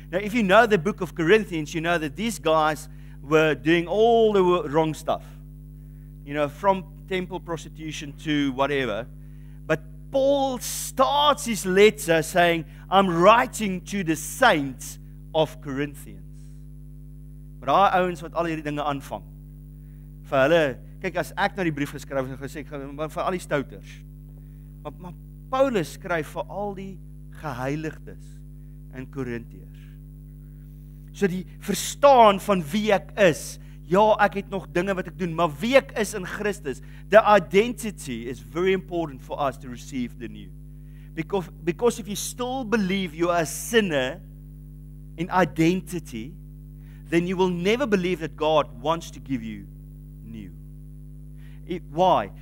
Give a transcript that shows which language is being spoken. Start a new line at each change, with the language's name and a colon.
English: Now, if you know the book of Corinthians, you know that these guys were doing all the wrong stuff. You know, from temple prostitution to whatever. But Paul starts his letter saying, I'm writing to the saints of Corinthians.
Afrikaans: Daai ouens wat al hierdie dinge aanvang. Vir hulle, kyk as ek nou die brief geskryf het, gesê ek gaan vir al die stouters. Maar Paulus skryf vir al die geheiligdes in Korintiërs. So die verstaan van wie ek is. Ja, ek het nog dinge wat ek doen, maar wie ek is in Christus.
English: The identity is very important for us to receive the new. Because if you still believe you are a sinner in identity, then you will never believe that God wants to give you new. Why?